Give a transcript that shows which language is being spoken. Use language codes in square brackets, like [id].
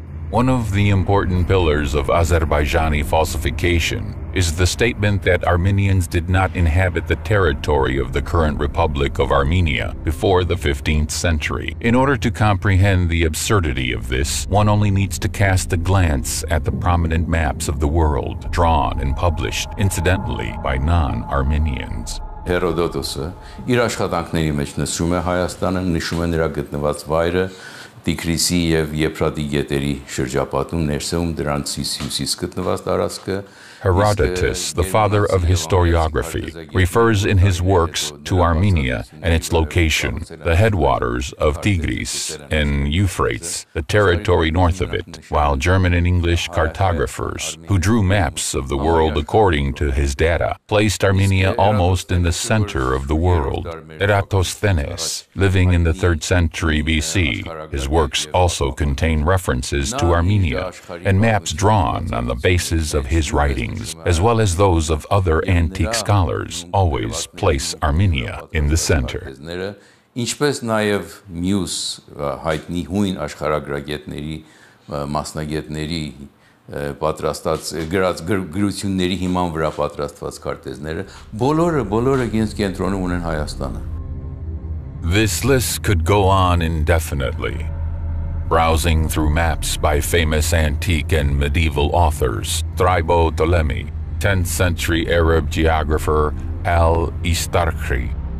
[en] One of the important pillars of Azerbaijani falsification is the statement that Armenians did not inhabit the territory of the current Republic of Armenia before the 15th century. In order to comprehend the absurdity of this, one only needs to cast a glance at the prominent maps of the world, drawn and published, incidentally, by non-Armenians. [hy] Herodotus, իր աշխատանքների մեջ նշում է Հայաստանը, նշում է նրա գտնված վայրը, Տիգրիսի եւ Եփրատի գետերի շրջապատում ներսում դրանցից հյուսիս գտնված տարածքը. [en] Herodotus, the father of historiography, refers in his works to Armenia and its location, the headwaters of Tigris and Euphrates, the territory north of it, while German and English cartographers, who drew maps of the world according to his data, placed Armenia almost in the center of the world. Eratosthenes, living in the 3rd century BC, his works also contain references to Armenia and maps drawn on the basis of his writing, as well as those of other antique scholars, always place Armenia in the center. [hy] Ինչպես նաև մյուս հայտնի հույն աշխարհագրագետների մասնագետների պատրաստած գրած գրությունների հիման վրա պատրաստված քարտեզները բոլորը հենց կենտրոնում ունեն Հայաստանը. [en] This list could go on indefinitely. Browsing through maps by famous antique and medieval authors, Thribo Ptolemy, 10th century Arab geographer Al-Istarkhri.